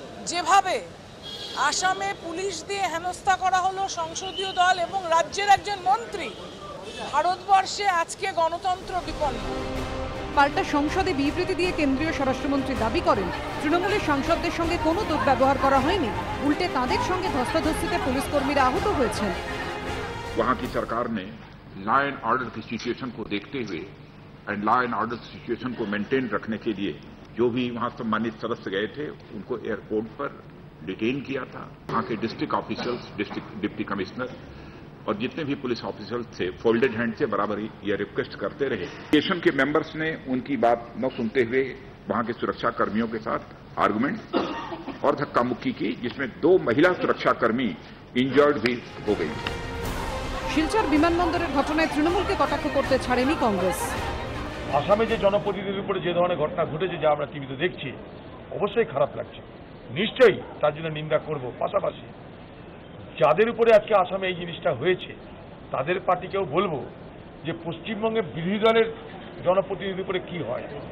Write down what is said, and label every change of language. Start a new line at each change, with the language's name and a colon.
Bangla: যেভাবে আসামে পুলিশ দিয়ে হেনস্থা করা হলো সংসদীয় দল এবং রাজ্যের একজন মন্ত্রী, ভারতবর্ষে আজকে গণতন্ত্র বিপন্ন। পাল্টা সংসদে বিবৃতি দিয়ে কেন্দ্রীয় স্বরাষ্ট্রমন্ত্রী দাবি করেন তৃণমূলের সাংসদদের সঙ্গে কোনো দুর্ব্যবহার করা হয়নি, উল্টে তাদের সঙ্গে ধস্তাধস্তিতে পুলিশ কর্মীরা আহত হয়েছেন।
Hindi: वहां की सरकार ने लॉ एंड ऑर्डर की सिचुएशन को देखते हुए and law and order situation को मेंटेन रखने के लिए जो भी वहां सम्मानित सदस्य गए थे उनको एयरपोर्ट पर डिटेन किया था। वहां के district officers, district deputy commissioner और जितने भी पुलिस ऑफिसर्स थे फोल्डेड हैंड से बराबर ये रिक्वेस्ट करते रहे। स्टेशन के मेंबर्स ने उनकी बात न सुनते हुए वहां के सुरक्षा कर्मियों के साथ आर्गुमेंट और धक्का मुक्की की, जिसमें 2 महिला सुरक्षा कर्मी इंजर्ड भी हो गई।
Bangla: শিলচর বিমানবন্দরের ঘটনায় তৃণমূলকে কটাক্ষ করতে ছাড়েনি কংগ্রেস। আসামে যে জনপ্রতিনিধির উপরে যে ধরনের ঘটনা ঘটেছে যা আমরা টিভিতে দেখছি, অবশ্যই খারাপ লাগছে, নিশ্চয়ই তার জন্য নিন্দা করব। পাশাপাশি যাদের উপরে আজকে আসামে এই জিনিসটা হয়েছে তাদের পার্টিকেও বলবো যে পশ্চিমবঙ্গে বিরোধী দলের জনপ্রতিনিধির উপরে কি হয়।